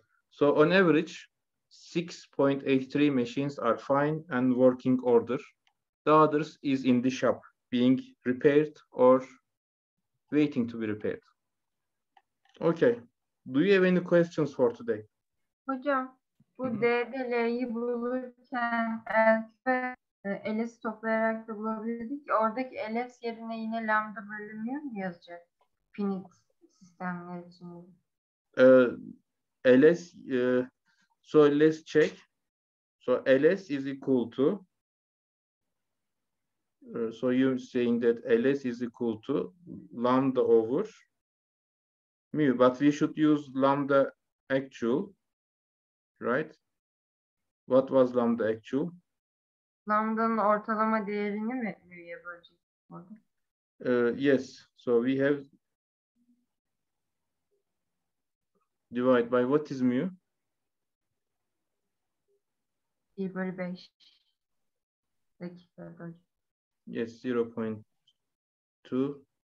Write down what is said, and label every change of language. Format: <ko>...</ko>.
<en>So on average, 6.83 machines are fine and working order. The others is in the shop being repaired or waiting to be repaired. Okay, do you have any questions for today?</en> <tr>Hocam, bu DBL'yi bulurken LF ve LS toplayarak da bulabildik. Oradaki LS yerine yine lambda bölünmüyor mu yazacak? Finite sistemler için.</tr> <en>LS, so let's check. So LS is equal to, so you're saying that LS is equal to lambda over mu, but we should use lambda actual, right? What was lambda actual?</en> <tr>Lambda'nın ortalama değerini mi mu'ya bölecek?</tr> <en>Yes, so we have divide by what is mu?</en> <tr>1 bölü 5 dakikada hocam.</tr> <en>Yes, 0.2.</en>